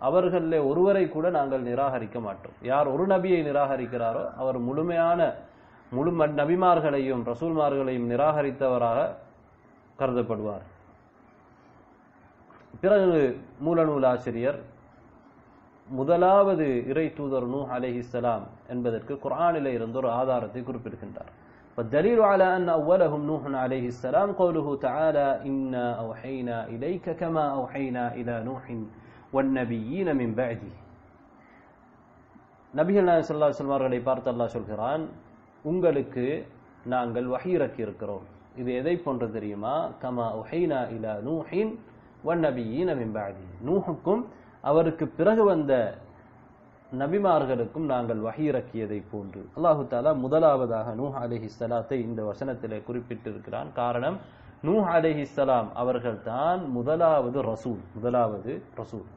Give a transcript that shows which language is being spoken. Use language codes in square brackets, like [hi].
[ta] அவர்களில் ஒருவரை கூட நாங்கள் நிராகரிக்க மாட்டோம். யார் ஒரு நபியை நிராகரிக்கிறாரோ அவர் முழுமையான முழு நபிமார்களையும் ரசூல்மார்களையும் நிராகரித்தவராக கருதப்படுவார். பிறகு மூலநூல் ஆசிரியர் முதலாவது இறை தூதர் நூஹ் அலைஹிஸ்ஸலாம் என்பதற்கு குர்ஆனில் இருந்து ஒரு ஆதாரத்தை குறிப்பிடுகின்றார். [ar] فالدليل على ان اولهم نوح عليه السلام قوله تعالى ان اوحينا اليك كما اوحينا الى نوح والنبيين من بعده نبي الله صلى الله عليه وسلم [ta] அவர்களை பார்த்த அல்லாஹ் சொல்கிறான், உங்களுக்கு நாங்கள் வஹீ இறக்கி இருக்கிறோம். இது எதை போன்ற தெரியுமா? [ar] كما اوحينا الى نوح والنبيين من بعده. [ta] நூஹுக்கும் அவருக்கு பிறகு வந்த நபிமார்களுக்கும் நாங்கள் வஹி இறக்கியதை போன்று. அல்லாஹு தஆலா முதலாவதாக நூஹ் அலைஹிஸ்ஸலாத்தை இந்த வசனத்திலே குறிப்பிட்டிருக்கிறான். காரணம், நூஹ் அலைஹிஸ்ஸலாம் அவர்கள் தான் முதலாவது ரசூல், முதலாவது ரசூல்.